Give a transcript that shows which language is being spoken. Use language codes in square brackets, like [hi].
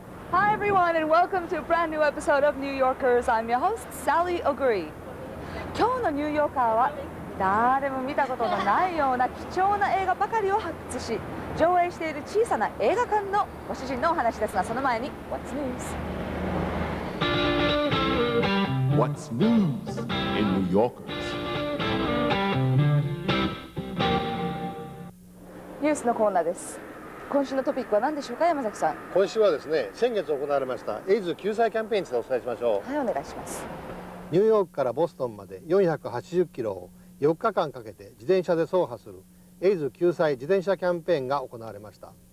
[en] Hi, everyone, and welcome to a brand new episode of New Yorkers. I'm your host, Sally Ogree. [ja] 今日のニューヨーカーは誰も見たことのないような貴重な映画ばかりを発掘し上映している小さな映画館のご主人のお話ですが、その前に [en] What's News? What's News in New Yorkers? [ja] ニュースのコーナーです。今週のトピックは何でしょうか、山崎さん。今週はですね、先月行われましたエイズ救済キャンペーンについてお伝えしましょう。はい、お願いします。ニューヨークからボストンまで480キロを4日間かけて自転車で走破するエイズ救済自転車キャンペーンが行われました。